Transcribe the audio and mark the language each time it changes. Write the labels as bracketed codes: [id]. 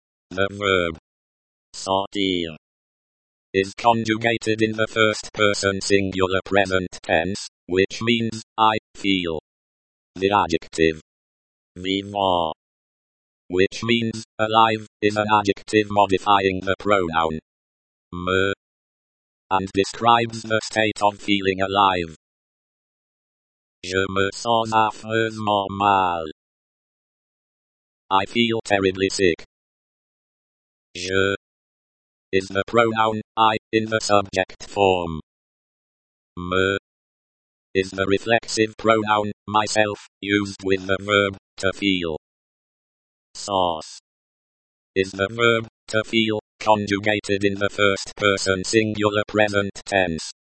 [en] The verb sentir is conjugated in the first person singular present tense, which means I feel. The adjective vivant, which means alive, is an adjective modifying the pronoun me and describes the state of feeling alive. [fr] Je me sens affreusement mal. [en] I feel terribly sick. Je is the pronoun I in the subject form. Me is the reflexive pronoun myself used with the verb to feel. Sens is the verb to feel conjugated in the first person singular present tense.